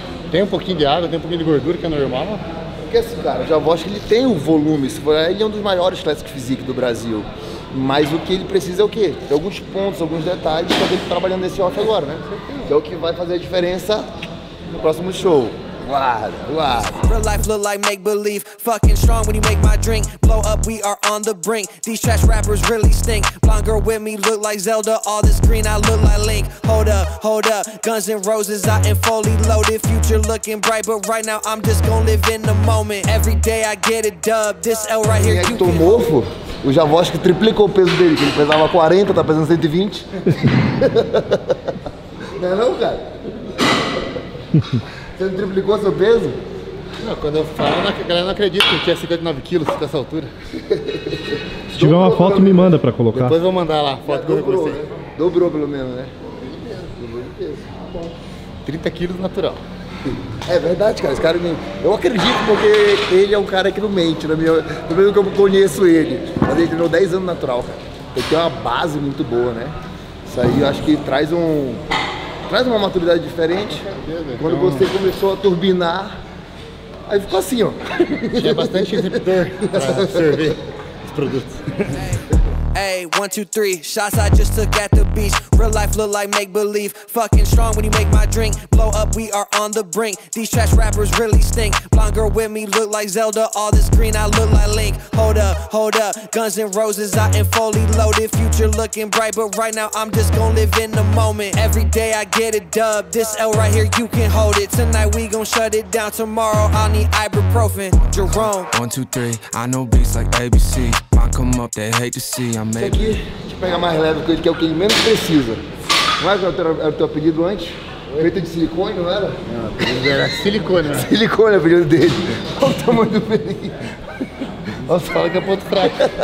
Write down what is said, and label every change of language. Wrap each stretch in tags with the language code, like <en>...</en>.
<pt>Tem um pouquinho de água, tem um pouquinho de gordura, que é normal. Porque esse cara, o Javosh, ele tem o volume. Ele é um dos maiores Classic Physique do Brasil. Mas o que ele precisa é o quê? Tem alguns pontos, alguns detalhes para ele trabalhando nesse off agora, né? Que é o que vai fazer a diferença no próximo show. guarda.</pt> <en>Real life look like make believe. Fucking strong when you make my drink. Blow up, we are on the brink. These trash rappers really stink. Blonde girl with me look like Zelda. All this green, I look like Link. Hold up, hold up. Guns and roses, I am fully loaded. Future looking bright, but right now I'm just gonna live in the moment. Every day I get a dub. This L right here.</en> <pt>Tô novo. O Javó acho que triplicou o peso dele, que ele pesava 40, tá pesando 120. Não é não, cara? Você não triplicou seu peso? Não, quando eu falo, a galera não acredita que eu tinha 59 quilos nessa altura. Se tiver uma foto, me manda pra colocar. Depois eu vou mandar lá a foto que eu vou você. Dobrou pelo menos, né? Dobrou de peso. 30 quilos natural. É verdade, cara. Esse cara nem... Eu acredito porque ele é um cara que não mente, na minha... pelo menos que eu conheço ele. Mas ele treinou 10 anos natural, cara. Tem que ter uma base muito boa, né? Isso aí eu acho que traz um... Traz uma maturidade diferente. Quando você começou a turbinar, aí ficou assim, ó. Tinha bastante receptor pra servir os produtos.</pt> <en>Hey, 1, 2, 3, shots I just took at the beach. Real life look like make-believe. Fucking strong when you make my drink. Blow up, we are on the brink. These trash rappers really stink. Blonde girl with me look like Zelda. All this green, I look like Link. Hold up, hold up. Guns and roses, I am fully loaded. Future looking bright, but right now I'm just gonna live in the moment. Every day I get a dub. This L right here, you can hold it. Tonight we gon' shut it down. Tomorrow I need ibuprofen. Jerome. 1, 2, 3, I know beats like ABC. I come up, they hate to see.</en> <pt>Isso aqui, deixa eu pegar mais leve com ele, que é o que ele menos precisa. Mas era o teu apelido antes? Oi? Feito de silicone, não era? Não, era silicone, né? Silicone é o apelido dele. Olha o tamanho do pelinho. Nossa, fala que é ponto fraco.</pt>